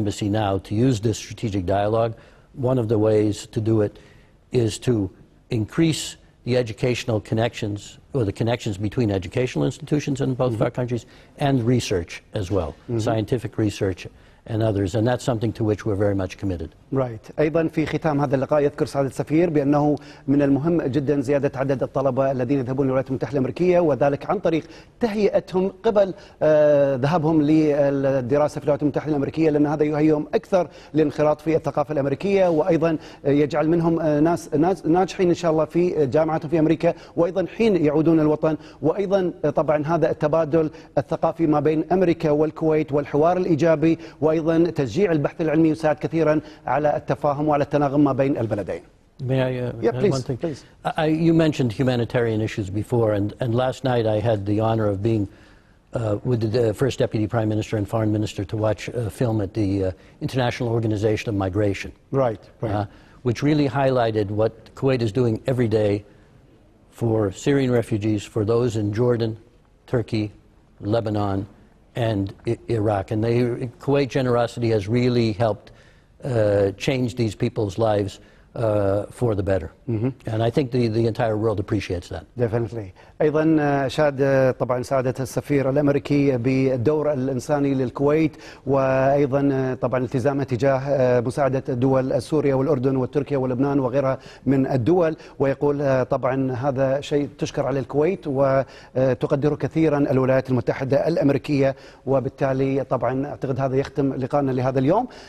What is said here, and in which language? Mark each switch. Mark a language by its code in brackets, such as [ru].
[en] Embassy now to use this strategic dialogue. One of the ways to do it is to increase the educational connections or the connections between educational institutions in both mm-hmm. of our countries and research as well, mm-hmm. scientific research. And others, and that's something to which we're very much committed. Right. [ar] أيضا في ختام هذا اللقاء يذكر سعادة السفير بأنه من المهم جدا زيادة عدد الطلبة الذين يذهبون للولايات المتحدة الأمريكية وذلك عن طريق تهيئتهم قبل ذهابهم للدراسة في الولايات المتحدة الأمريكية لأن هذا يهيئهم أكثر للانخراط في الثقافة الأمريكية وأيضا يجعل منهم ناس ناجحين إن شاء الله في جامعاتهم في أمريكا وأيضا حين يعودون الوطن وأيضا طبعا هذا التبادل الثقافي ما بين أمريكا والكويت والحوار الإيجابي وأيضا تشجيع البحث العلمي يساعد كثيرا على التفاهم وعلى التناغم ما بين البلدين. [en] May I please. You mentioned humanitarian issues before and last night I had the honor of being with the first deputy prime minister and foreign minister to watch a film at the International Organization of Migration. Right. Right. Which really highlighted what Kuwait is doing every day for Syrian refugees, for those in Jordan, Turkey, Lebanon. And Iraq. And Kuwait generosity has really helped change these people's lives for the better. Mm-hmm. And I think the entire world appreciates that. Definitely. [ar] أيضا شاد طبعا سعادة السفير الأمريكي بالدور الإنساني للكويت وأيضا طبعا التزامه تجاه مساعدة الدول سوريا والأردن وتركيا ولبنان وغيرها من الدول ويقول طبعا هذا شيء تشكر على الكويت وتقدره كثيرا الولايات المتحدة الأمريكية وبالتالي طبعا أعتقد هذا يختم لقائنا لهذا اليوم.